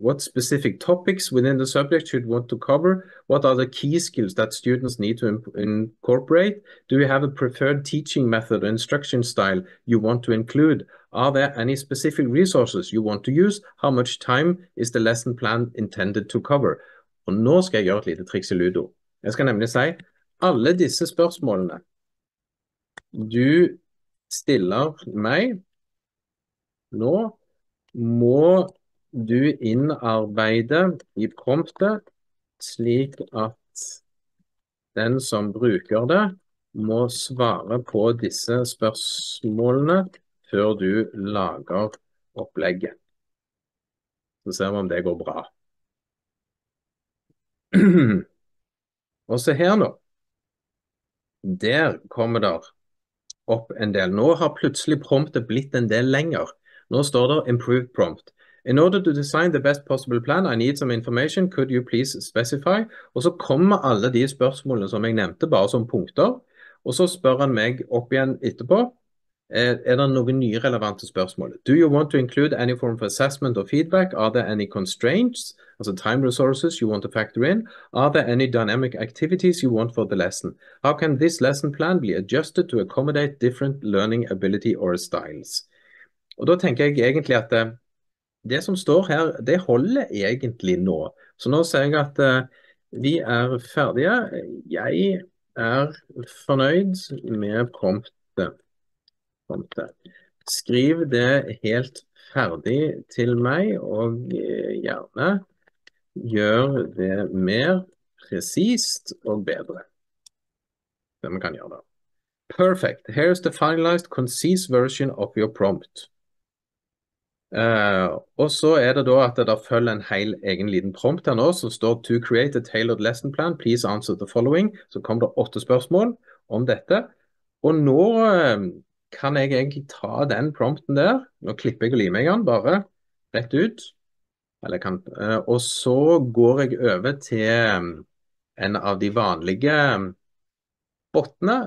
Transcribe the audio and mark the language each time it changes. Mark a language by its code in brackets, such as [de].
[en] What specific topics within the subject should want to cover? What are the key skills that students need to incorporate? Do you have a preferred teaching method or instruction style you want to include? Are there any specific resources you want to use? How much time is the lesson plan intended to cover? [no] Og nå skal jeg gjøre et lite triks i Ludo. Jeg skal nemlig si, alle disse spørsmålene du stiller meg, nå må du innarbeide i promptet slik at den som bruker det må svare på disse spørsmålene før du lager opplegget. Så ser vi om det går bra. Og se her nå. Der kommer det opp en del. Nå har plutselig promptet blitt en del lenger. Nå står det [en] improved prompt. In order to design the best possible plan, I need some information. Could you please specify? [no] Og så kommer alle de spørsmålene som jeg nevnte bare som punkter. Og så spør han meg opp igjen etterpå. Det noen nye relevante spørsmål? [en] Do you want to include any form of assessment or feedback? Are there any constraints, altså time resources you want to factor in? Are there any dynamic activities you want for the lesson? How can this lesson plan be adjusted to accommodate different learning ability or styles? [no] Og da tenker jeg egentlig at det som står her, det holder egentlig nå. Så nå ser jeg at vi er ferdige. Jeg er fornøyd med promptet. Skriv det helt ferdig til meg, og gjerne gjør det mer presist og bedre. Det man kan gjøre da. Perfect. [en] Here's the finalized, concise version of your prompt. [no] Og så er det da at det da følger en hel egen liten prompt her nå, som står [en] to create a tailored lesson plan, please answer the following. [no] Så kommer det 8 spørsmål om dette. Og nå kan jeg egentlig ta den prompten der, nå klipper jeg og limer den bare rett ut, eller kan, og så går jeg over til en av de vanlige bottene.